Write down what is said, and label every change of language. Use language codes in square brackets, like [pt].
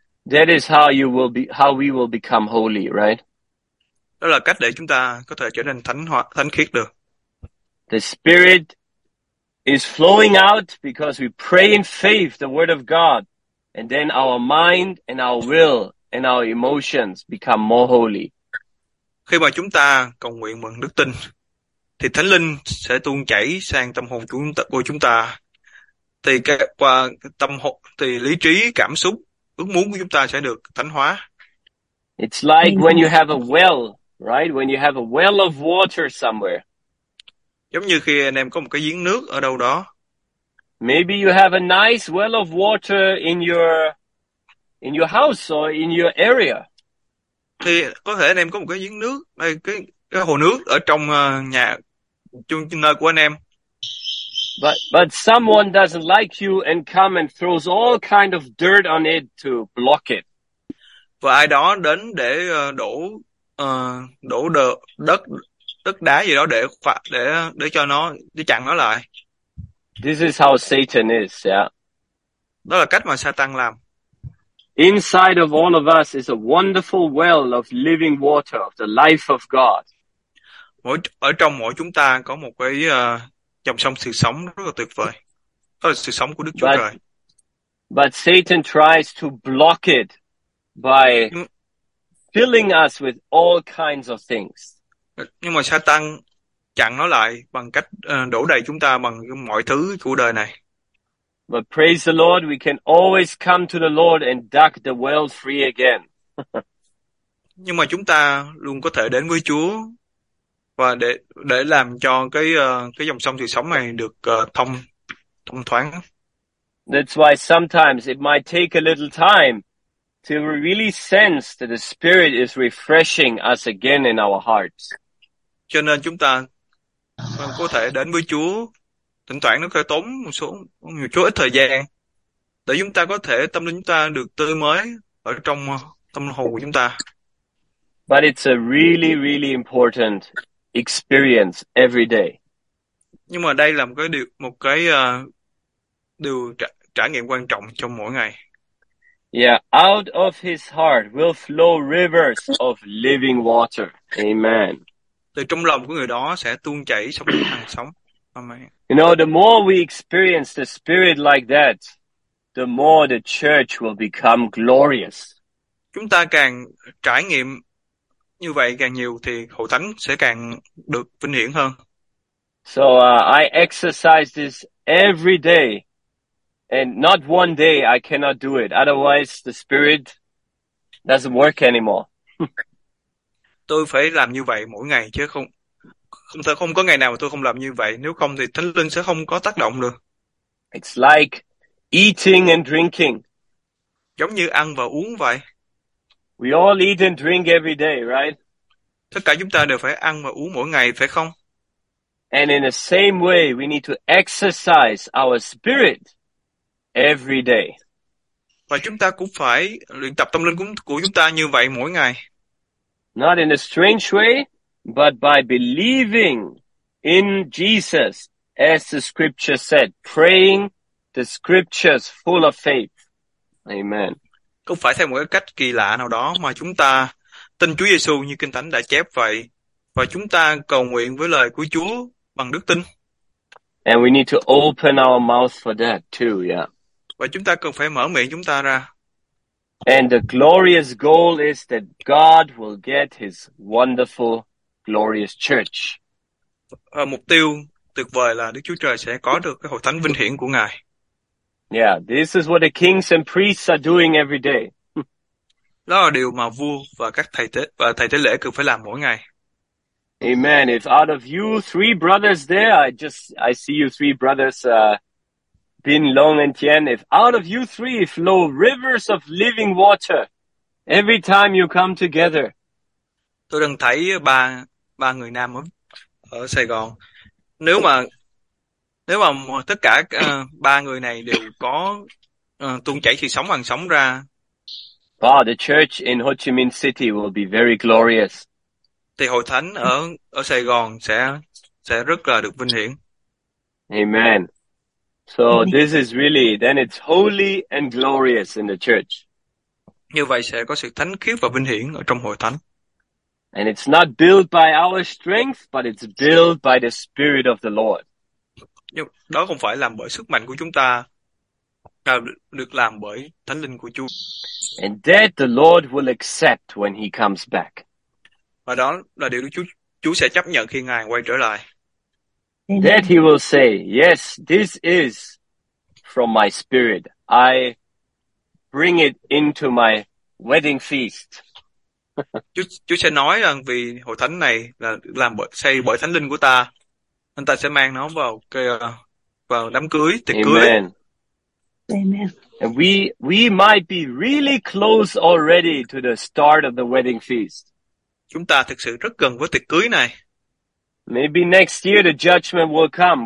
[en] That is how you will be, how we will become holy, right? [vi] Đó là cách để chúng ta có thể trở nên thánh hoặc thánh khiết được. [en] The Spirit is flowing out because we pray in faith the Word of God, and then our mind and our will and our emotions become more holy. [vi] Khi mà chúng ta cầu nguyện bằng đức tin, thì Thánh Linh sẽ tuôn chảy sang tâm hồn của chúng ta. Thì qua tâm hồn, thì lý trí, cảm xúc, ước muốn của chúng ta sẽ được thánh hóa. [en] It's like when you have a well, right? When you have a well of water somewhere. [vi] Giống như khi anh em có một cái giếng nước ở đâu đó. [en] Maybe you have a nice well of water in your house or in your area. [vi] Thì có thể anh em có một cái giếng nước, đây cái hồ nước ở trong nhà chung nơi của anh em. [en] But someone doesn't like you and come and throws all kind of dirt on it to block it. [vi] Và ai đó đến để đổ đổ đất đất đá gì đó để cho nó, để chặn nó lại. [en] This is how Satan is, yeah. [vi] Đó là cách mà Satan làm. [en] Inside of all of us is a wonderful well of living water of the life of God. [vi] Ở trong mỗi chúng ta có một cái dòng sông sự sống rất là tuyệt vời. Đó là sự sống của Đức Chúa Trời. [en] But Satan tries to block it by filling us with all kinds of things. [vi] Nhưng mà Satan chặn nó lại bằng cách đổ đầy chúng ta bằng mọi thứ của đời này. [en] But praise the Lord, we can always come to the Lord and duck the well free again. [vi] Nhưng mà chúng ta luôn có thể đến với Chúa và để làm cho cái dòng sông sự sống này được thông thoáng. [en] That's why sometimes it might take a little time to really sense that the Spirit is refreshing us again in our hearts. [vi] Cho nên chúng ta có thể đến với Chúa, thỉnh thoảng nó có tốn một chút ít thời gian để chúng ta có thể tâm linh chúng ta được tươi mới ở trong tâm hồn của chúng ta. [en] But it's a really, really important experience every day. [vi] Nhưng mà đây là một cái điều trải nghiệm quan trọng trong mỗi ngày. [en] Yeah, out of his heart will flow rivers of living water. Amen. [vi] Từ trong lòng của người đó sẽ tuôn chảy sông hằng sống. Amen. [en] You know, the more we experience the Spirit like that, the more the church will become glorious. [vi] Chúng ta càng trải nghiệm như vậy càng nhiều thì hội thánh sẽ càng được vinh hiển hơn. [en] So I exercise this every day, and not one day I cannot do it. Otherwise, the Spirit doesn't work anymore. [vi] Tôi phải làm như vậy mỗi ngày chứ không có ngày nào mà tôi không làm như vậy. Nếu không thì Thánh Linh sẽ không có tác động được. [en] It's like eating and drinking. [vi] Giống như ăn và uống vậy. [en] We all eat and drink every day, right? [vi] Tất cả chúng ta đều phải ăn và uống mỗi ngày, phải không? [en] And in the same way, we need to exercise our spirit every day. [vi] Và chúng ta cũng phải luyện tập tâm linh của chúng ta như vậy mỗi ngày. [en] Not in a strange way, but by believing in Jesus, as the scripture said, praying the scriptures full of faith. Amen. [vi] Không phải theo một cách kỳ lạ nào đó mà chúng ta tin Chúa Giêsu như Kinh Thánh đã chép vậy, và chúng ta cầu nguyện với lời của Chúa bằng đức tin. [en] And we need to open our mouth for that too, yeah. [vi] Và chúng ta cần phải mở miệng chúng ta ra. [en] And the glorious goal is that God will get his wonderful, glorious church. [vi] Và mục tiêu tuyệt vời là Đức Chúa Trời sẽ có được cái hội thánh vinh hiển của Ngài. [en] Yeah, this is what the kings and priests are doing every day. [vi] Đó là điều mà vua và các thầy tế lễ cần phải làm mỗi ngày. Amen. [en] If out of you three brothers there, I see you three brothers, Bin, Long, and Tien. If out of you three flow rivers of living water every time you come together. [vi] Tôi đang thấy ba người nam ở Sài Gòn. Nếu mà tất cả ba người này đều có tuôn chảy sự sống hằng sống ra [en] Wow, the church in Ho Chi Minh City will be very glorious. [vi] thì hội thánh ở ở Sài Gòn sẽ rất là được vinh hiển. Amen. [en] So this is really, then it's holy and glorious in the church. [vi] Như vậy sẽ có sự thánh khiết và vinh hiển ở trong hội thánh. [en] And it's not built by our strength, but it's built by the Spirit of the Lord. [vi] Nhưng đó không phải làm bởi sức mạnh của chúng ta, mà được làm bởi thánh linh của Chúa. [en] And that the Lord will accept when he comes back. [vi] Và đó là điều Chúa sẽ chấp nhận khi Ngài quay trở lại. [en] That he will say, yes, this is from my spirit. I bring it into my wedding feast. [vi] Chúa sẽ nói rằng vì hội thánh này là làm bởi, xây bởi thánh linh của ta, nên ta sẽ mang nó vào cái vào đám cưới, tiệc cưới. Amen. Amen. [en] And we might be really close already to the start of the wedding feast. [vi] Chúng ta thực sự rất gần với tiệc cưới này. [en] Maybe next year the judgment will come.